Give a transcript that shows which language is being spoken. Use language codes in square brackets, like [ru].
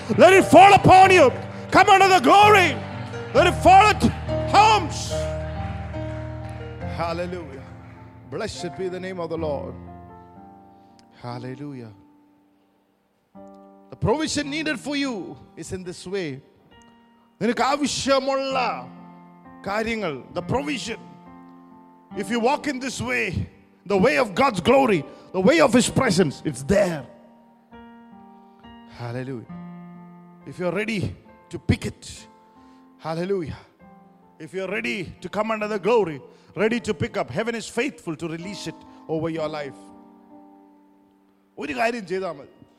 [en] Let it fall upon you. Come under the glory. Let it fall at homes. Hallelujah. Blessed be the name of the Lord. Hallelujah. The The provision needed for you is in this way. [ml] നിനക്ക് ആവശ്യമുള്ള കാര്യങ്ങൾ, [en] the provision. If you walk in this way, the way of God's glory, the way of His presence, it's there. Hallelujah. If you're ready to pick it, hallelujah. If you're ready to come under the glory, ready to pick up, heaven is faithful to release it over your life. [ml] ഒരു കാര്യം ചെയ്താൽ മതി.